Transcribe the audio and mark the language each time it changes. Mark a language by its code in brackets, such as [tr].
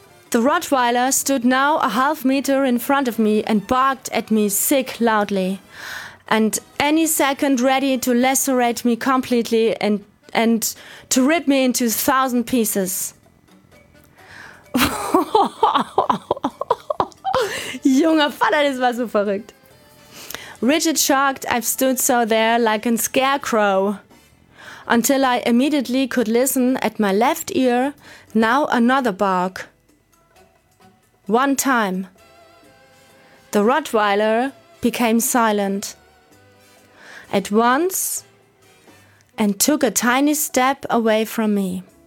[en] The Rottweiler stood now a half meter in front of me and barked at me sick loudly, and any second ready to lacerate me completely and to rip me into 1,000 pieces. [de] Junge Vater, das war so verrückt. [en] Rigid shocked, I stood so there like a scarecrow, until I immediately could listen at my left ear now another bark. One time, the Rottweiler became silent at once and took a tiny step away from me.